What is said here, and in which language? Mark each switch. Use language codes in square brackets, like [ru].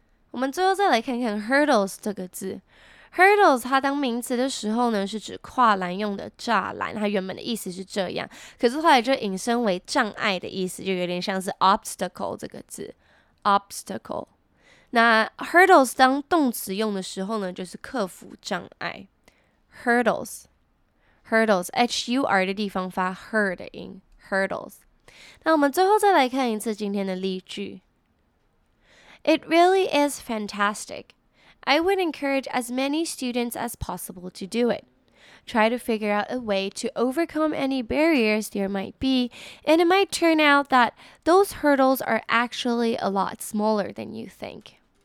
[zh] 我们最后再来看看 Hurdles 这个字， Hurdles 它当名词的时候呢是指跨栏用的栅栏，它原本的意思是这样，可是后来就引申为障碍的意思，就有点像是 Obstacle 这个字， Obstacle。那 hurdles 当动词用的时候呢，就是克服障碍。 hurdles， hurdles， h u r 的地方发 her 的音。 hurdles。那我们最后再来看一次今天的例句。 [en] It really is fantastic. I would encourage as many students as possible to do it. Try to figure out a way to overcome any barriers there might be, and it might turn out that those hurdles are actually a lot smaller than you think.